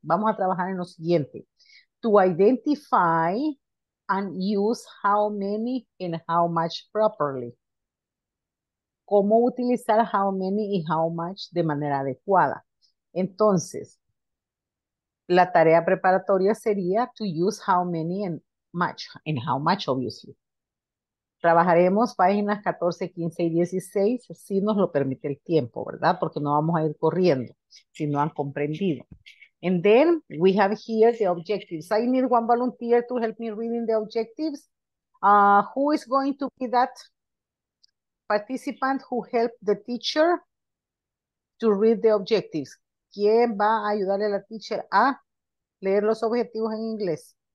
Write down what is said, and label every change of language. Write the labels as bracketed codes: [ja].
[es] Vamos a trabajar en lo siguiente. [en] To identify and use how many and how much properly. [es] Cómo utilizar how many y how much de manera adecuada. Entonces, la tarea preparatoria sería [en] to use how many and how much, obviously. [es] Trabajaremos páginas 14, 15 y 16, si nos lo permite el tiempo, ¿verdad? Porque no vamos a ir corriendo, si no han comprendido. [en] And then we have here the objectives. I need one volunteer to help me reading the objectives. Who is going to be that participant who helped the teacher to read the objectives? [es] ¿Quién va a ayudarle a la teacher a leer los objetivos en inglés?